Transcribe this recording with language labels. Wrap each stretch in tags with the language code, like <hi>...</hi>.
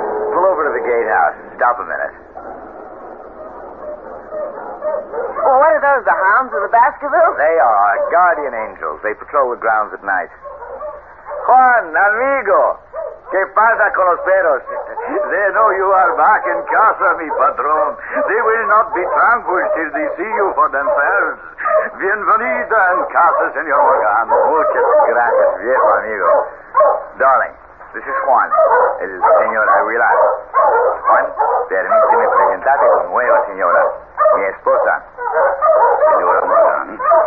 <en>Pull over to the gatehouse and stop a minute. of the hounds of the Baskervilles? They are guardian angels. They patrol the grounds at night.</en> <es>Juan, amigo, ¿qué pasa con los perros?</es> <en>They know you are back in</en> <es>casa, mi patrón.</es> <en>They will not be tranquil till they see you for themselves.</en> <es>Bienvenida en casa, señor Morgan. Muchas gracias, viejo amigo.</es> <en>Darling, this is Juan,</en> <es>el señor Aguilar. Juan, permíteme presentarte con nueva señora, mi esposa, señora Morgan.</es>